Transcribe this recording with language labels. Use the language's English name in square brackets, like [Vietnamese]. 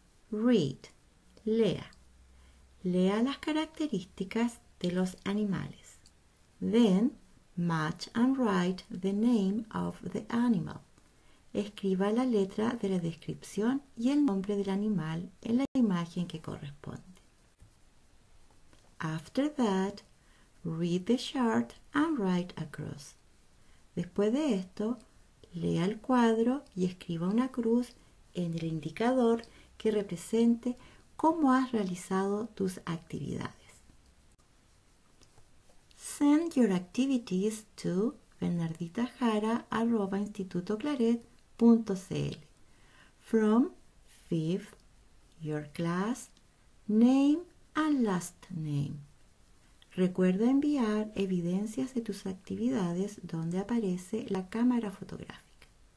[English] Read, [Spanish] lea. Lea las características de los animales. [English] Then, match and write the name of the animal. [Spanish] Escriba la letra de la descripción y el nombre del animal en la imagen que corresponde. [English] After that, read the chart and write a cross. [Spanish] Después de esto, lea el cuadro y escriba una cruz en el indicador que represente cómo has realizado tus actividades. [English] Send your activities to bernarditajara@institutoclaret.com. .cl from 5th, your class, name and last name. [Spanish] Recuerda enviar evidencias de tus actividades donde aparece la cámara fotográfica.